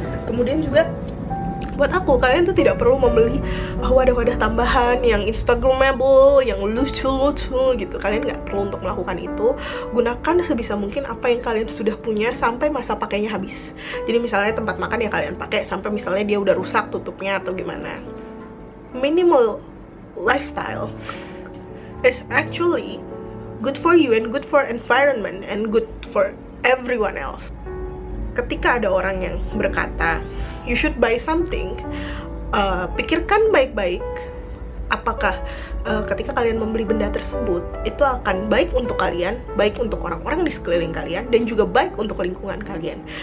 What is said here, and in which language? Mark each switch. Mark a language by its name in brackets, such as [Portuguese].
[Indonesian] Kemudian juga buat aku, kalian tuh tidak perlu membeli wadah-wadah tambahan yang instagramable, yang lucu-lucu gitu. Kalian gak perlu untuk melakukan itu. Gunakan sebisa mungkin apa yang kalian sudah punya sampai masa pakainya habis. Jadi misalnya tempat makan yang kalian pakai sampai misalnya dia udah rusak tutupnya atau gimana. [English] Minimal lifestyle is actually good for you and good for environment and good for everyone else. [Indonesian] Ketika ada orang yang berkata [English] you should buy something, [Indonesian] pikirkan baik-baik apakah ketika kalian membeli benda tersebut itu akan baik untuk kalian, baik untuk orang-orang di sekeliling kalian, dan juga baik untuk lingkungan kalian.